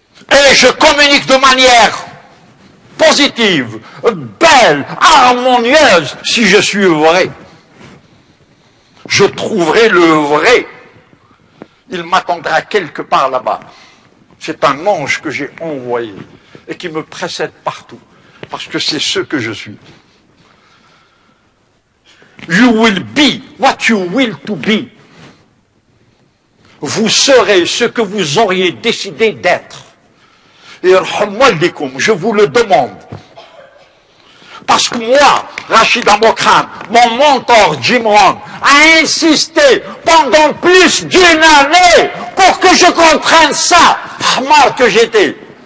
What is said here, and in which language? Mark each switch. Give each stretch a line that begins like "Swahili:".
French: Et je communique de manière positive, belle, harmonieuse, si je suis vrai. Je trouverai le vrai. Il m'attendra quelque part là-bas. C'est un ange que j'ai envoyé et qui me précède partout. Parce que c'est ce que je suis.
English: You will be what you will to be.
French: Vous serez ce que vous auriez décidé d'être. Et alhamdulillah, je vous le demande. Parce que moi, Rachid Amokhan, mon mentor Jim Rohn, a insisté pendant plus d'une année pour que je comprenne ça, mal que j'étais.